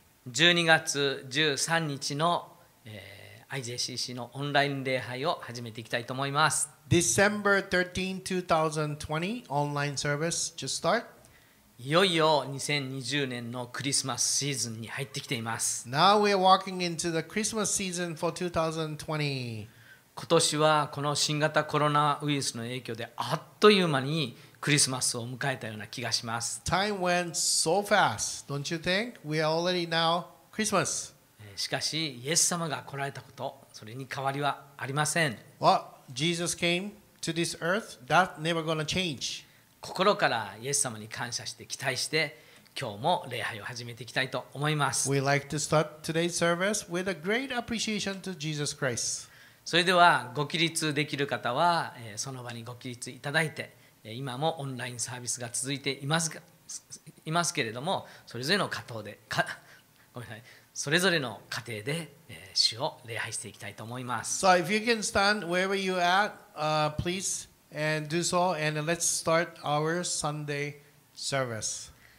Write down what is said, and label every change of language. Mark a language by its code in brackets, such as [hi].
[ja] 12月13日の、IJCC のオンライン礼拝を始めていきたいと思います。 [en] December 13, 2020, online service just start. [ja] いよいよ2020年のクリスマスシーズンに入ってきています。 [en] Now we are walking into the Christmas season for 2020. [ja] 今年はこの新型コロナウイルスの影響であっという間にクリスマスを迎えたような気がします。 [en] Time went so fast, don't you think? We are already now Christmas. [ja] しかし、イエス様が来られたこと、それに変わりはありません。 [en] What? Jesus came to this earth? That's never gonna change. [ja] 心からイエス様に感謝して期待して、今日も礼拝を始めていきたいと思います。 [en] We like to start today's service with a great appreciation to Jesus Christ. [ja] それでは、ご起立できる方は、その場にご起立いただいて、今もオンラインサービスが続いていますが、いますけれども、それぞれの家庭で、ごめんなさい、それぞれの家庭で、主を礼拝していきたいと思います。 [en] So if you can stand wherever you at, please and do so, and let's start our Sunday service.